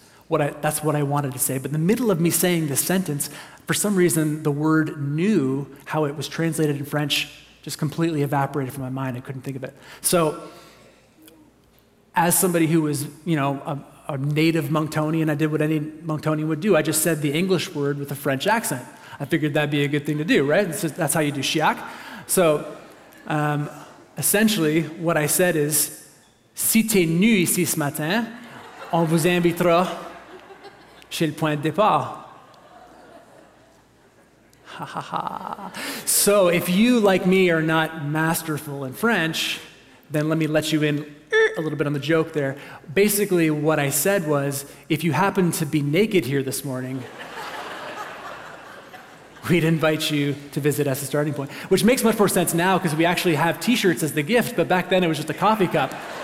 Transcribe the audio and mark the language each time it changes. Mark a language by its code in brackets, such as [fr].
[en] That's what I wanted to say. But in the middle of me saying this sentence, for some reason, the word new, how it was translated in French, just completely evaporated from my mind. I couldn't think of it. So as somebody who was, you know, a native Monctonian, I did what any Monctonian would do. I just said the English word with a French accent. I figured that'd be a good thing to do, right? That's how you do chiac. So essentially what I said is, [fr] si t'es nu ici ce matin, on vous invitera chez le point de départ. Ha ha ha. [en] So if you, like me, are not masterful in French, then let me let you in a little bit on the joke there. Basically, what I said was, if you happen to be naked here this morning, we'd invite you to visit us at Starting Point, which makes much more sense now because we actually have t-shirts as the gift, but back then it was just a coffee cup.